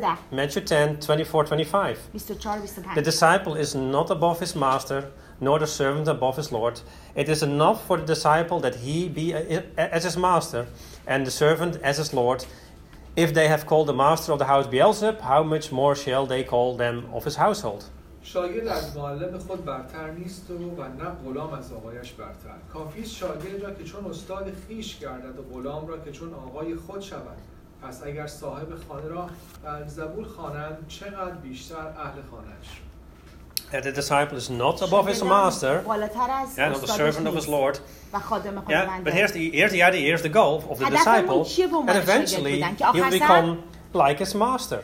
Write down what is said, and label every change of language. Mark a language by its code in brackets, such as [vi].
[en] Matthew 10, 24-25. The disciple is not above his master, nor the servant above his Lord. It is enough for the disciple that he be as his master, and the servant as his Lord. If they have called the master of the house Beelzebub, how much more shall they call them of his household? [fa] شاگرد از معلم خود برتر نیست و نه غلام از آقایش برتر. کافی است شاگرد را که چون استاد خیش گردد و غلام را که چون آقای خود شود. پس اگر صاحب خانه را زبور خوانند چقدر بیشتر اهل خانه‌اش. [en] That the disciple is not above his master, yeah, not the servant of his Lord. Yeah, but here's the idea, here's the goal of the disciple, and eventually he'll become like his master.